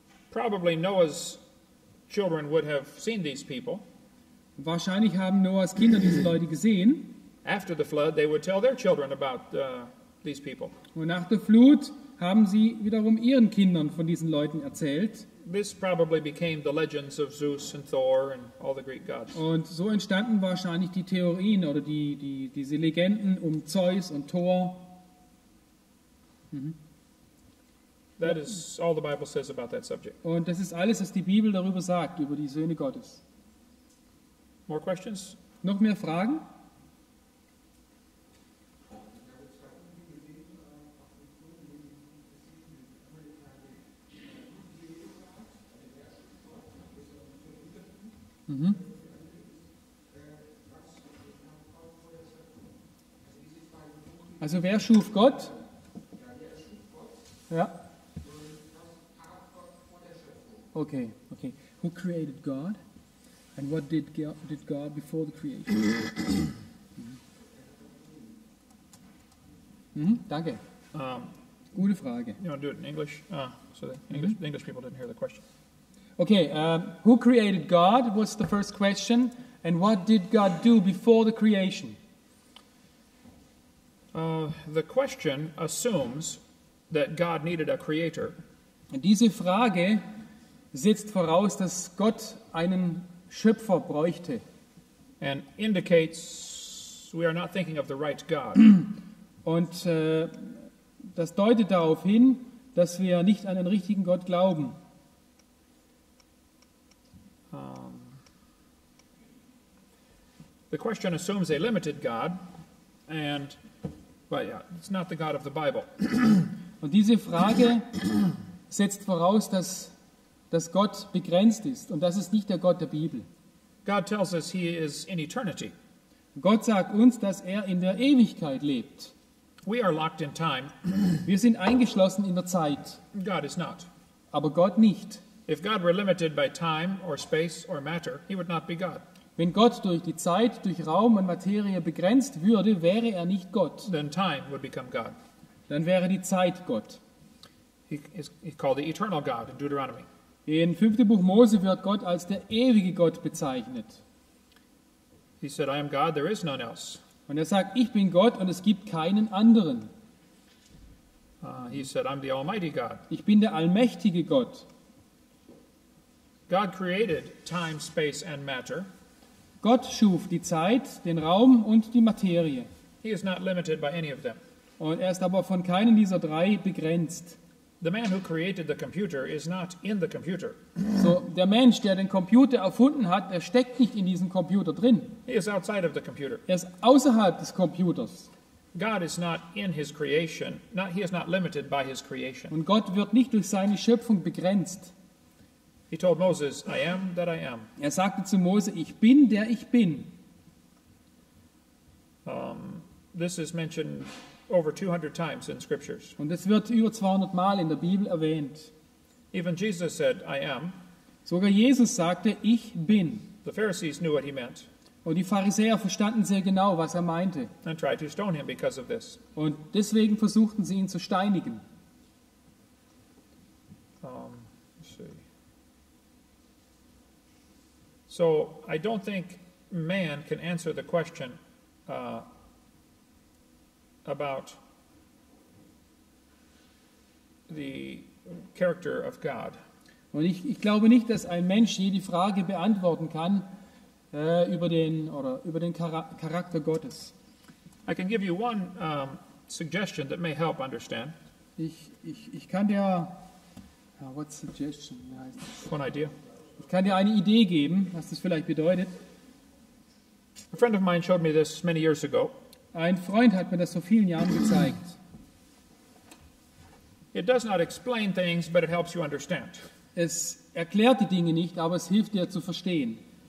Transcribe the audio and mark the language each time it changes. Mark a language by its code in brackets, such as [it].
[en] Probably Noah's children would have seen these people. [de] Wahrscheinlich haben Noahs Kinder diese Leute gesehen. [en] After the flood, they would tell their children about these people. [de] Und nach der Flut haben sie wiederum ihren Kindern von diesen Leuten erzählt. [en] This probably became the legends of Zeus and Thor and all the Greek gods. [de] Und so entstanden wahrscheinlich die Theorien oder diese Legenden um Zeus und Thor. [en] That is all the Bible says about that subject. [de] Und das ist alles, was die Bibel darüber sagt, über die Söhne Gottes. [en] More questions? [de] Noch mehr Fragen? Also wer schuf Gott? Ja. [en] Okay. Who created God? And what did God before the creation? [de] Danke. Gute Frage. [en] You want to do it in English? So the English, the English people didn't hear the question. Okay. Who created God was the first question. And what did God do before the creation? The question assumes that God needed a creator. [de] Diese Frage setzt voraus, dass Gott einen Schöpfer bräuchte. [en] And indicates we are not thinking of the right God. [de] Und das deutet darauf hin, dass wir nicht an den richtigen Gott glauben. [en] The question assumes a limited God, and but yeah, it's not the God of the Bible. [de] Und diese Frage setzt voraus, dass dass Gott begrenzt ist und das ist nicht der Gott der Bibel. [en] God tells us he is in eternity. [de] Gott sagt uns, dass er in der Ewigkeit lebt. [en] We are locked in time. [de] Wir sind eingeschlossen in der Zeit. [en] God is not. [de] Aber Gott nicht. [en] If God were limited by time or space or matter, he would not be God. [de] Wenn Gott durch die Zeit, durch Raum und Materie begrenzt würde, wäre er nicht Gott. [en] Then time would become God. [de] Dann wäre die Zeit Gott. [en] He's called the eternal God in Deuteronomy. [de] In 5. Buch Mose wird Gott als der ewige Gott bezeichnet. [en] He said, I am God, there is none else. [de] Und er sagt, ich bin Gott und es gibt keinen anderen. [en] He said, I'm the almighty God. [de] Ich bin der allmächtige Gott. [en] God created time, space and matter. [de] Gott schuf die Zeit, den Raum und die Materie. [en] He is not limited by any of them. [de] Und er ist aber von keinen dieser drei begrenzt. [en] The man who created the computer is not in the computer. [de] So, der Mensch, der den Computer erfunden hat, der steckt nicht in diesem Computer drin. [en] He is outside of the computer. [de] Er ist außerhalb des Computers. [en] God is not in his creation. Not, he is not limited by his creation. [de] Und Gott wird nicht durch seine Schöpfung begrenzt. [en] He told Moses, I am that I am. [de] Er sagte zu Mose, ich bin, der ich bin. [en] This is mentioned over 200 times in scriptures. [de] Und es wird über 200 Mal in der Bibel erwähnt. [en] Even Jesus said, I am. [de] Sogar Jesus sagte, ich bin. [en] The Pharisees knew what he meant. [de] Und die Pharisäer verstanden sehr genau, was er meinte. [en] And tried to stone him because of this. [de] Und deswegen versuchten sie ihn zu steinigen. [en] So I don't think man can answer the question about the character of God. [de] Und ich glaube nicht, dass ein Mensch je die Frage beantworten kann über den Charakter Gottes. [en] I can give you one suggestion that may help understand. [de] Ich kann dir [en] what suggestion? One idea. [de] Ich kann dir eine Idee geben, was das vielleicht bedeutet. [en] A friend of mine showed me this many years ago. [de] Ein Freund hat mir das vor vielen Jahren gezeigt. [en] It does not explain things, but it helps you understand. [de] Es erklärt die Dinge nicht, aber es hilft dir zu verstehen.